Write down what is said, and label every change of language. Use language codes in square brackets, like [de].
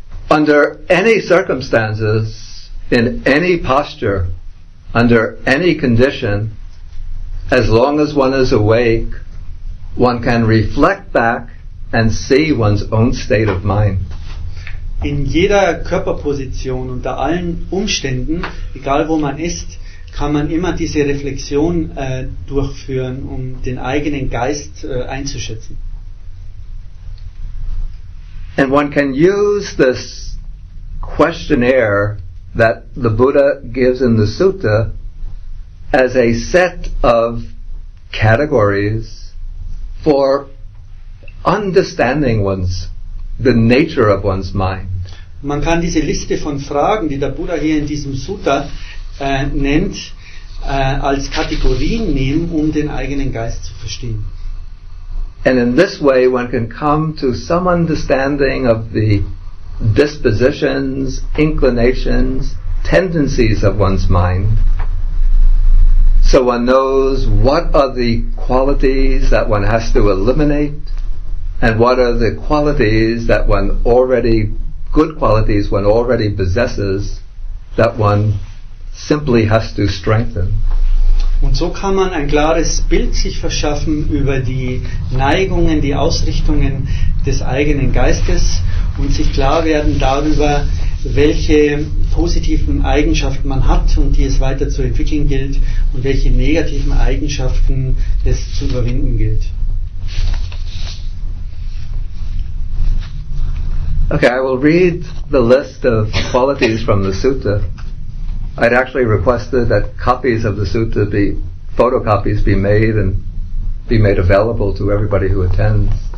[en] Under any circumstances, in any posture, under any condition, as long as one is awake, one can reflect back and see one's own state of mind. [de] In jeder Körperposition, unter allen Umständen, egal wo man ist, kann man immer diese Reflexion durchführen, um den eigenen Geist einzuschätzen. [en] And one can use this questionnaire that the Buddha gives in the Sutta as a set of categories for understanding the nature of one's mind. [de] Man kann diese Liste von Fragen, die der Buddha hier in diesem Sutta nennt, als Kategorien nehmen, um den eigenen Geist zu verstehen. [en] And in this way one can come to some understanding of the dispositions, inclinations, tendencies of one's mind. So one knows what are the qualities that one has to eliminate and what are the qualities that one already, good qualities one already possesses that one simply has to strengthen. [de] Und so kann man ein klares Bild sich verschaffen über die Neigungen, die Ausrichtungen des eigenen Geistes und sich klar werden darüber, welche positiven Eigenschaften man hat und die es weiter zu entwickeln gilt und welche negativen Eigenschaften es zu überwinden gilt. [en] Okay, I will read the list of qualities from the Sutta. I'd actually requested that copies of the Sutta be, photocopies be made and be made available to everybody who attends.